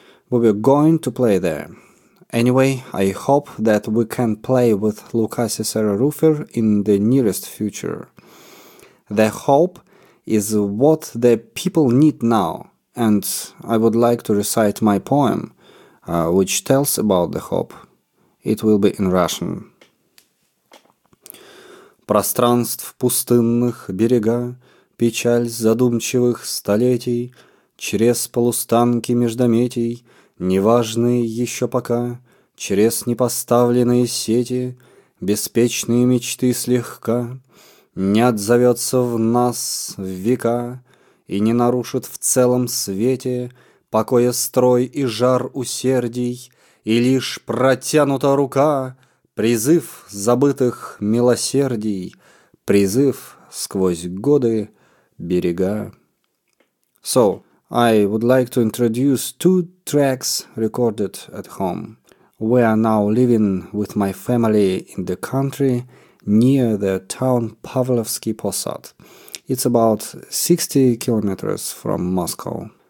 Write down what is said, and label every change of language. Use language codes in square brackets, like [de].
[en] We were going to play there. Anyway, I hope that we can play with Luca Cicero Rufer in the nearest future. The hope is what the people need now, and I would like to recite my poem, which tells about the hope. It will be in Russian. [ru] Пространств пустынных берега, печаль задумчивых столетий, через полустанки междометий, неважные еще пока, через непоставленные сети, беспечные мечты слегка, не отзовется в нас в века и не нарушит в целом свете покоя строй и жар усердий, и лишь протянута рука. Призыв забытых милосердий, призыв сквозь годы берега. [en] So, I would like to introduce two tracks recorded at home. We are now living with my family in the country near the town Pavlovsky Posad. It's about 60 kilometers from Moscow.